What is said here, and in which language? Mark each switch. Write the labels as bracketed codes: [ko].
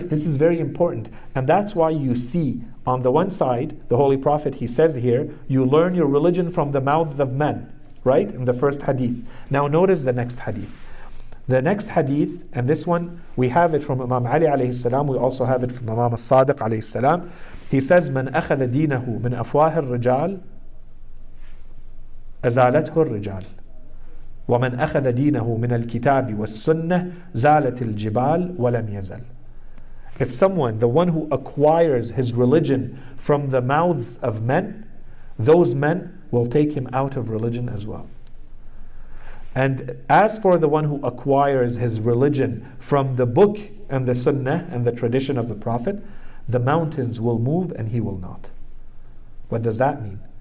[en] This is very important. And that's why you see on the one side, the Holy Prophet, he says here, you learn your religion from the mouths of men, right? In the first hadith. Now notice the next hadith. The next hadith, and this one, we have it from Imam Ali alayhi salam, we also have it from Imam al-Sadiq alayhi salam. He says, [ar] من أخذ دينه من أفواه الرجال أزالته الرجال ومن أخذ دينه من الكتاب والسنة زالت الجبال ولم يزل. [en] If someone, the one who acquires his religion from the mouths of men, those men will take him out of religion as well. And as for the one who acquires his religion from the book and the sunnah and the tradition of the Prophet, the mountains will move and he will not. What does that mean?